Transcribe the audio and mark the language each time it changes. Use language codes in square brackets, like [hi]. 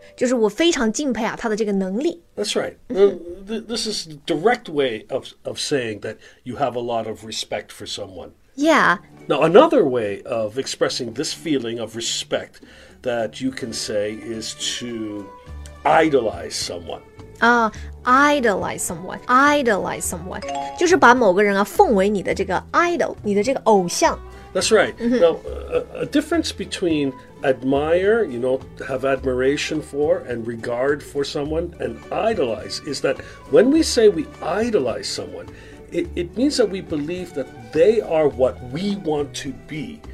[zh] 就是我非常敬佩啊她的这个能力。 [en] That's right. This is the direct way of saying that you have a lot of respect for someone. Yeah. Now, another way of expressing this feeling of respect that you can say is to idolize someone. Idolize someone. Idolize someone. [zh] 就是把某个人啊奉为你的这个 idol, 你的这个偶像。 [en] That's right.、Mm-hmm. Now, a difference between admire, you know, have admiration for and regard for someone and idolize is that when we say we idolize someone, it means that we believe that they are what we want to be.